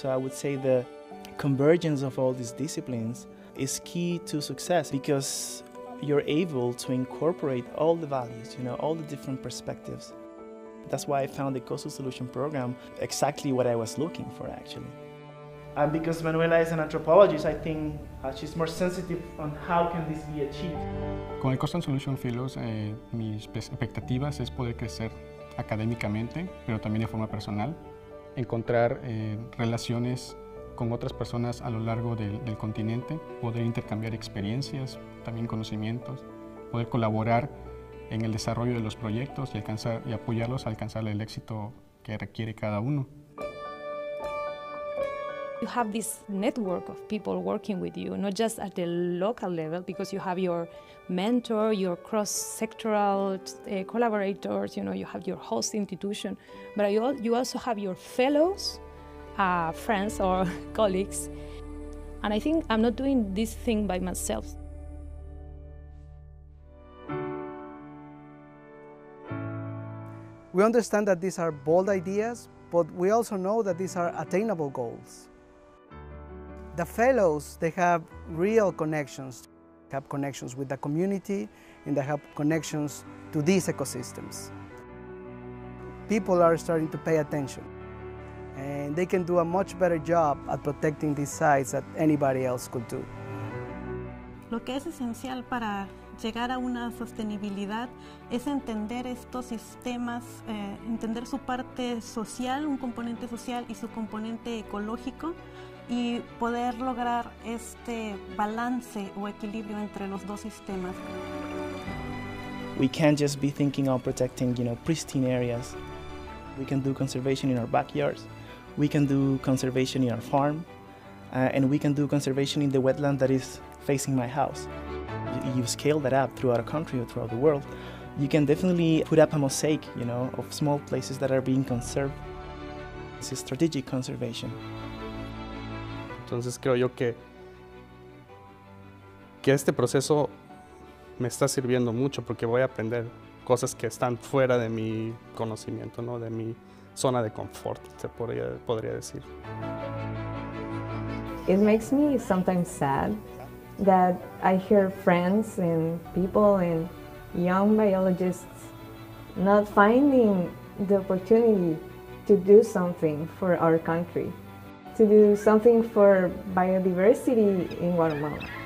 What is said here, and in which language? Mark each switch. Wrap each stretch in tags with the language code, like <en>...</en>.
<en>So I would say the convergence of all these disciplines is key to success because you're able to incorporate all the values, you know, all the different perspectives. That's why I found the Coastal Solution Program exactly what I was looking for, actually. And because Manuela is an anthropologist, I think she's more sensitive on how can this be achieved.</en> <es>Con el Coastal Solution Fellows, mis expectativas es poder crecer académicamente, pero también de forma personal. Encontrar relaciones con otras personas a lo largo del continente, poder intercambiar experiencias, también conocimientos, poder colaborar en el desarrollo de los proyectos y apoyarlos a alcanzar el éxito que requiere cada uno.</es> <en>You have this network of people working with you, not just at the local level, because you have your mentor, your cross-sectoral collaborators, you know, you have your host institution, but you also have your fellows, friends or colleagues. And I think I'm not doing this thing by myself. We understand that these are bold ideas, but we also know that these are attainable goals. The fellows, they have real connections, have connections with the community, and they have connections to these ecosystems. People are starting to pay attention, and they can do a much better job at protecting these sites than anybody else could do.</en> <es>Lo que es esencial para llegar a una sostenibilidad es entender estos sistemas, entender su parte social, un componente social y su componente ecológico, y poder lograr este balance o equilibrio entre los dos sistemas.</es> <en>We can't just be thinking of protecting, you know, pristine areas. We can do conservation in our backyards. We can do conservation in our farm. And we can do conservation in the wetland that is facing my house. You scale that up throughout a country or throughout the world, you can definitely put up a mosaic, you know, of small places that are being conserved. This is strategic conservation.</en> <es>Entonces creo yo que este proceso me está sirviendo mucho porque voy a aprender cosas que están fuera de mi conocimiento, ¿no? De mi zona de confort, se podría decir.</es> <en>It makes me sometimes sad that I hear friends and people and young biologists not finding the opportunity to do something for our country, to do something for biodiversity in Guatemala.</en>